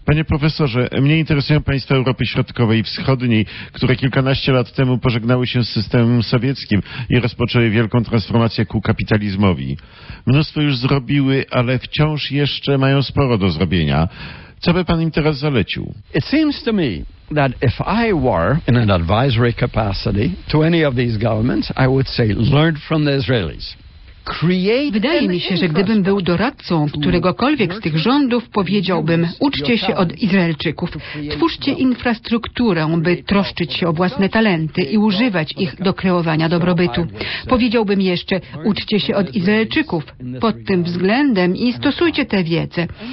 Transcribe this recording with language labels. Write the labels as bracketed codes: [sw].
[pl] Panie profesorze, mnie interesują państwa Europy Środkowej i Wschodniej, które kilkanaście lat temu pożegnały się z systemem sowieckim i rozpoczęły wielką transformację ku kapitalizmowi. Mnóstwo już zrobiły, ale wciąż jeszcze mają sporo do zrobienia. Co by pan im teraz zalecił? [en] It seems to me that if I were in an advisory capacity to any of these governments, I would say learn from the Israelis. [pl] Wydaje mi się, że gdybym był doradcą któregokolwiek z tych rządów, powiedziałbym, uczcie się od Izraelczyków, twórzcie infrastrukturę, by troszczyć się o własne talenty i używać ich do kreowania dobrobytu. Powiedziałbym jeszcze, uczcie się od Izraelczyków pod tym względem i stosujcie tę wiedzę.